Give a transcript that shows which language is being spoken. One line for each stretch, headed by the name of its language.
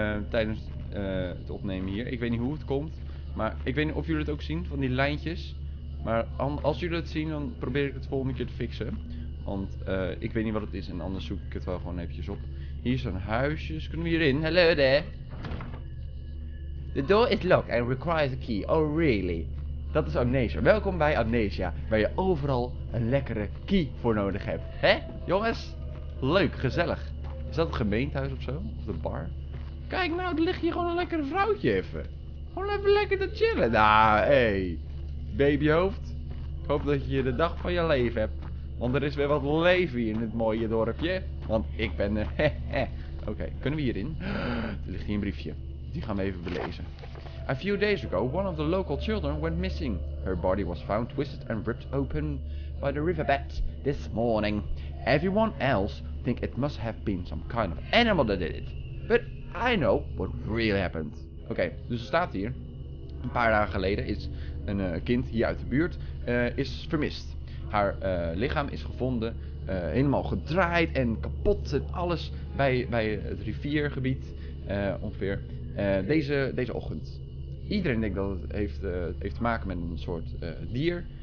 Dutch: Tijdens het opnemen hier. Ik weet niet hoe het komt, maar ik weet niet of jullie het ook zien, van die lijntjes. Maar als jullie het zien, dan probeer ik het volgende keer te fixen. Want ik weet niet wat het is en anders zoek ik het wel gewoon eventjes op. Hier zijn huisjes. Kunnen we hierin? Hallo daar.
English: The door is locked and requires a key. Oh, really?
Dutch: Dat is Amnesia. Welkom bij Amnesia, waar je overal een lekkere key voor nodig hebt. Hé, jongens? Leuk, gezellig. Is dat het gemeentehuis of zo? Of de bar? Kijk nou, er ligt hier gewoon een lekkere vrouwtje even. Gewoon even lekker te chillen. Nou, hey. Babyhoofd. Ik hoop dat je de dag van je leven hebt. Want er is weer wat leven hier in het mooie dorpje. Want ik ben er. Oké, kunnen we hierin? Er ligt hier een briefje. Die gaan we even belezen.
English: A few days ago, one of the local children went missing. Her body was found twisted and ripped open by the riverbed this morning. Everyone else think it must have been some kind of animal that did it. But I know what really happened.
Dutch: Oké, dus er staat hier. Een paar dagen geleden is een kind hier uit de buurt is vermist. Haar lichaam is gevonden, helemaal gedraaid en kapot en alles bij het riviergebied ongeveer. Deze ochtend. Iedereen denkt dat het heeft te maken met een soort dier.